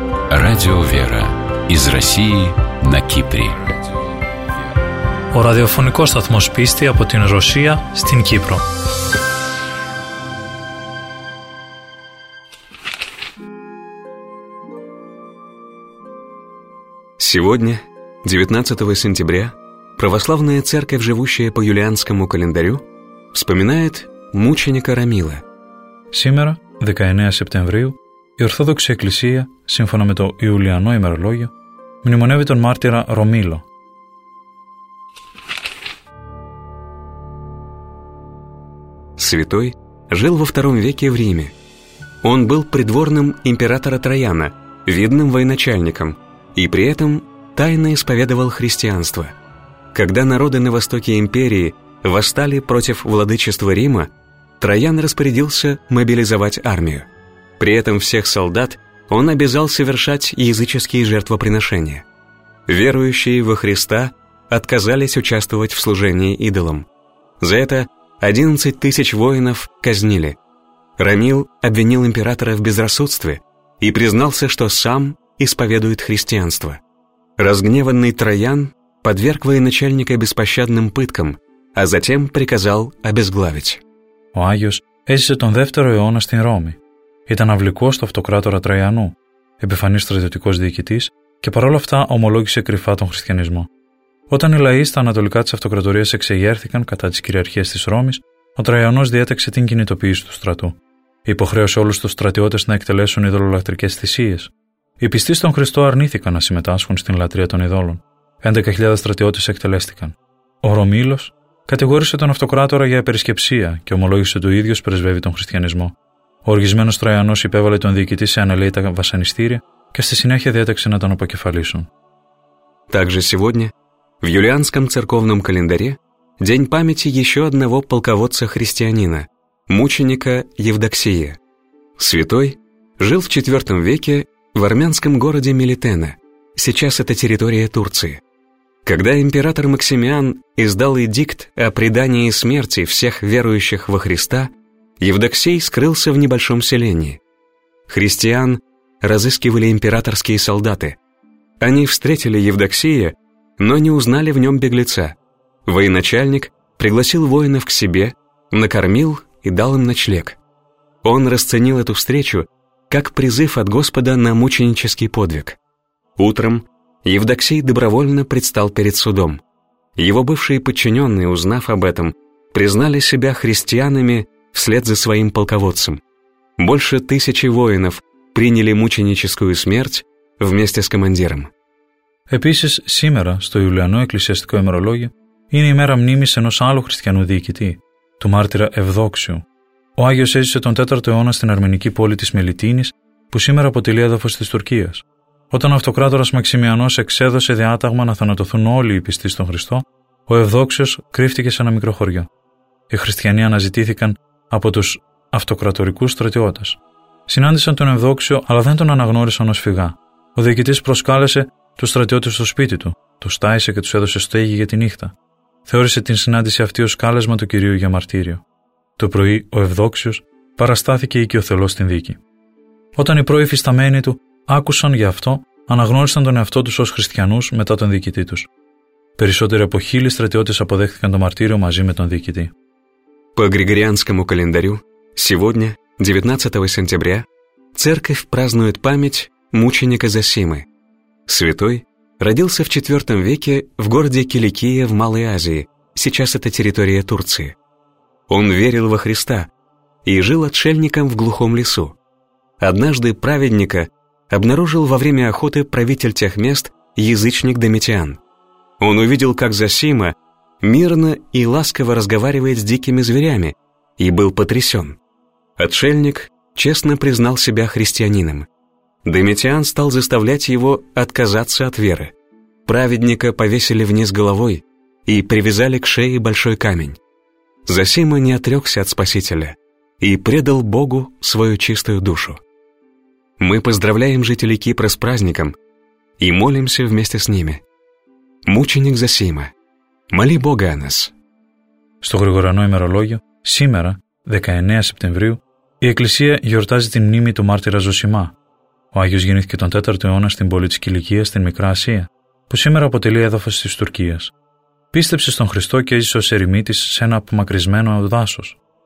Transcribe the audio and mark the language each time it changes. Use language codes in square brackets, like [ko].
[ru] Радио «Вера» из России на Кипре. [el] Ο ραδιοφωνικός σταθμός πίστη από την Ρωσία στην Κύπρο. [ru] Сегодня, 19 сентября, православная церковь, живущая по юлианскому календарю, вспоминает мученика Рамила. Сегодня, 19 сентября, [el] η Ορθόδοξη Εκκλησία, σύμφωνα με το Ιουλιανό ημερολόγιο, μνημονεύει τον μάρτυρα Ρομίλο. [ru] Святой жил во II веке в Риме. Он был придворным императора Траяна, видным военачальником, и при этом тайно исповедовал христианство. Когда народы на востоке империи восстали против владычества Рима, Траян распорядился мобилизовать армию. При этом всех солдат он обязал совершать языческие жертвоприношения. Верующие во Христа отказались участвовать в служении идолам. За это 11 тысяч воинов казнили. Рамил обвинил императора в безрассудстве и признался, что сам исповедует христианство. Разгневанный Траян подверг военачальника беспощадным пыткам, а затем приказал обезглавить. [el] Ο Άγιος έζησε τον 2ο αιώνα στην Ρώμη. Ήταν αυλικός του αυτοκράτορα Τραϊανού, επιφανής στρατιωτικός διοικητής και παρόλα αυτά ομολόγησε κρυφά τον χριστιανισμό. Όταν οι λαοί στα ανατολικά της αυτοκρατορίας εξεγέρθηκαν κατά της κυριαρχίας της Ρώμης, ο Τραϊανός διέταξε την κινητοποίηση του στρατού. Υποχρέωσε όλους τους στρατιώτες να εκτελέσουν ειδωλολατρικές θυσίες. Οι πιστοί στον Χριστό αρνήθηκαν να συμμετάσχουν στην λατρεία των ειδώλων. 11.000 στρατιώτες εκτελέστηκαν. Ο Ρωμίλος κατηγόρησε τον αυτοκράτορα για υπερισκεψία και ομολόγησε ότι ο ίδιος πρεσβεύει τον χριστιανισμό. Ο οργισμένος Τραϊανός υπέβαλε τον διοικητή σε αναλύτα βασανιστήρια και στη συνέχεια διέταξε να τον αποκεφαλίσουν. [ru] Также сегодня в юлианском церковном календаре день памяти еще одного полководца-христианина, мученика Евдоксия. Святой жил в IV веке в армянском городе Милетена, сейчас это территория Турции. Когда император Максимиан издал эдикт о предании смерти всех верующих во Христа, Евдоксий скрылся в небольшом селении. Христиан разыскивали императорские солдаты. Они встретили Евдоксия, но не узнали в нем беглеца. Военачальник пригласил воинов к себе, накормил и дал им ночлег. Он расценил эту встречу как призыв от Господа на мученический подвиг. Утром Евдоксий добровольно предстал перед судом. Его бывшие подчиненные, узнав об этом, признали себя христианами вслед за своим полководцем. Больше тысячи воинов приняли мученическую смерть вместе с командиром. [el] Επίσης, σήμερα, στο Ιουλιανό Εκκλησιαστικό ημερολόγιο, είναι η μέρα μνήμης ενός άλλου χριστιανού διοικητή, του μάρτυρα Ευδόξιου. Ο Άγιος έζησε τον 4ο αιώνα στην αρμενική πόλη της Μελιτίνης, που σήμερα αποτελεί έδαφος της Τουρκίας. Όταν ο αυτοκράτορας Μαξιμιανός εξέδωσε διάταγμα να θανατωθούν όλοι οι πιστοί στον Χριστό, ο Ευδόξιος κρύφτηκε σε ένα μικρό χωριό. Οι χριστιανοί αναζητήθηκαν από τους αυτοκρατορικούς στρατιώτες. Συνάντησαν τον Ευδόξιο, αλλά δεν τον αναγνώρισαν ως φυγά. Ο διοικητής προσκάλεσε τους στρατιώτες στο σπίτι του, τους τάισε και τους έδωσε στέγη για τη νύχτα. Θεώρησε την συνάντηση αυτή ως κάλεσμα του Κυρίου για μαρτύριο. Το πρωί ο Ευδόξιος παραστάθηκε οικειοθελώς στην δίκη. Όταν οι πρώοι φυσταμένοι του άκουσαν γι' αυτό, αναγνώρισαν τον εαυτό τους ως χριστιανούς μετά τον διοικητή τους. Περισσότεροι από 1.000 στρατιώτες αποδέχθηκαν το μαρτύριο μαζί με τον διοικητή. [ru] По григорианскому календарю, сегодня, 19 сентября, церковь празднует память мученика Зосимы. Святой родился в IV веке в городе Киликия в Малой Азии, сейчас это территория Турции. Он верил во Христа и жил отшельником в глухом лесу. Однажды праведника обнаружил во время охоты правитель тех мест язычник Домитиан. Он увидел, как Зосима мирно и ласково разговаривает с дикими зверями, и был потрясен. Отшельник честно признал себя христианином. Домитиан стал заставлять его отказаться от веры. Праведника повесили вниз головой и привязали к шее большой камень. Зосима не отрекся от Спасителя и предал Богу свою чистую душу. Мы поздравляем жителей Кипра с праздником и молимся вместе с ними. Мученик Зосима, моли Бога о нас. [el] Στο Γρηγοριανό ημερολόγιο, σήμερα, 19 Σεπτεμβρίου, η Εκκλησία γιορτάζει την μνήμη του μάρτυρα Ζωσιμά. Ο Άγιος γεννήθηκε τον 4ο αιώνα στην πόλη της Κιλικίας στην Μικρά Ασία, που σήμερα αποτελεί έδαφος της Τουρκίας. Πίστεψε στον Χριστό και έζησε ως ερημίτης σε ένα απομακρυσμένο δάσος.